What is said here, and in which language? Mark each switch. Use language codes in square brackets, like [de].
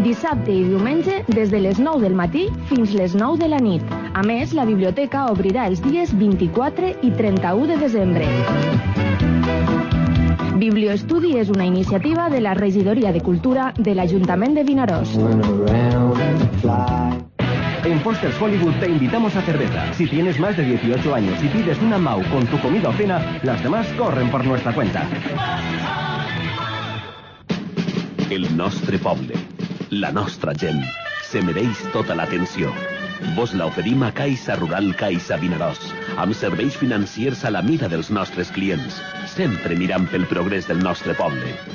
[ca] Dissabte i diumenge des de les 9 del matí fins les 9 de la nit. A més, la biblioteca obrirà els dies 24 i 31 de desembre. Biblioestudi és una iniciativa de la Regidoria de Cultura de l'Ajuntament de Vinaròs. [es] En Foster's Hollywood te invitamos a cerveza. Si tienes más de 18 años y pides una MAU con tu comida o cena, las demás corren por nuestra cuenta. [ca] El nostre poble, la nostra gent, se mereix tota l'atenció. Vos la oferim a Caixa Rural Caixa Vinaròs, amb serveis financiers a la mida dels nostres clients, sempre mirant pel progrés del nostre poble.